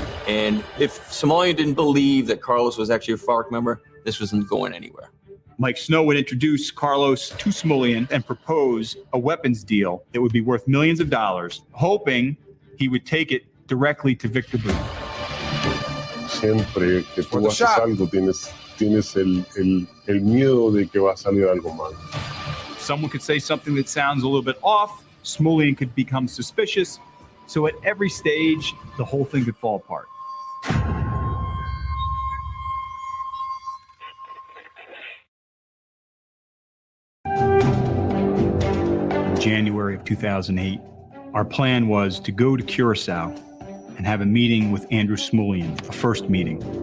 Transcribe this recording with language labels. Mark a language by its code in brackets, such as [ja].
[en] And if Somalia didn't believe that Carlos was actually a FARC member, this wasn't going anywhere. Mike Snow would introduce Carlos to Somalian and propose a weapons deal that would be worth millions of dollars, hoping he would take it directly to Viktor Bout. [es] Siempre que tú haces algo, tienes el miedo de que va a salir algo mal. [en] Someone could say something that sounds a little bit off. Somalian could become suspicious. So at every stage, the whole thing could fall apart. January of 2008, our plan was to go to Curacao and have a meeting with Andrew Somalian, a first meeting.